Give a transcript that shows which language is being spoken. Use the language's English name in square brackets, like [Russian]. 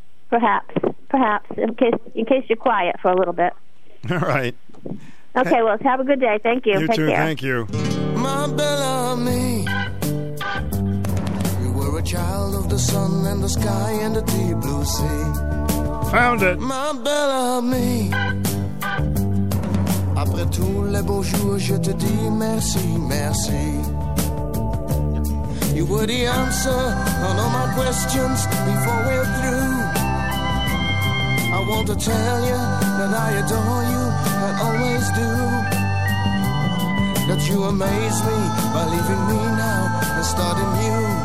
[English] Perhaps, in case you're quiet for a little bit. All right. Okay, well, have a good day. Thank you. You take too. Care. Thank you. My Bellamy, you were a child of the sun and the sky and the deep blue sea. Found it. [French] My Bellamy, après tous les beaux jours, je te dis merci, merci. [English] You were the answer on all my questions before we're through. I want to tell you that I adore you and always do. That you amaze me by leaving me now and starting you.